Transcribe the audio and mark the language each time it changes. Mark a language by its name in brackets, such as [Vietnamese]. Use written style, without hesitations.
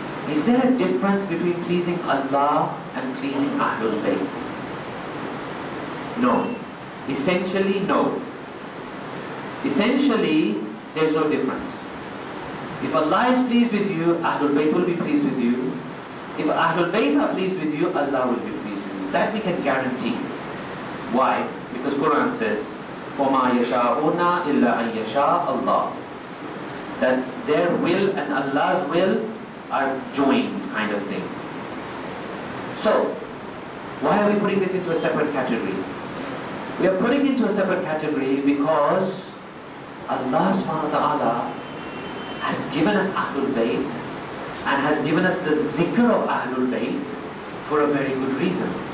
[English] Is there a difference between pleasing Allah and pleasing Ahlul Bayt? No. Essentially, no. Essentially, there's no difference. If Allah is pleased with you, Ahlul Bayt will be pleased with you. If Ahlul Bayt are pleased with you, Allah will be pleased with you. That we can guarantee. Why? Because Quran says, [Arabic] وَمَا يَشَاءُنَا إِلَّا أَن يَشَاءَ اللَّهُ. [English] That their will and Allah's will are joined, kind of thing. So, why are we putting this into a separate category? We are putting it into a separate category because Allah subhanahu wa ta'ala has given us Ahlul Bayt and has given us the zikr of Ahlul Bayt for a very good reason.